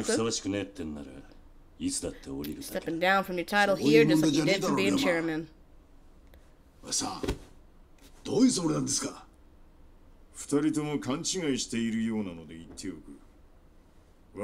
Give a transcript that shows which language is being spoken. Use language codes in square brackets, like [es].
[ja] 人にふさわしくねえってんなら、いつだって降りるだけ。 [en] Stepping down from your title here just like you did for being chairman. [ja] おやさん、どういうつもりなんですか。二人とも勘違いしているようなので言っておく。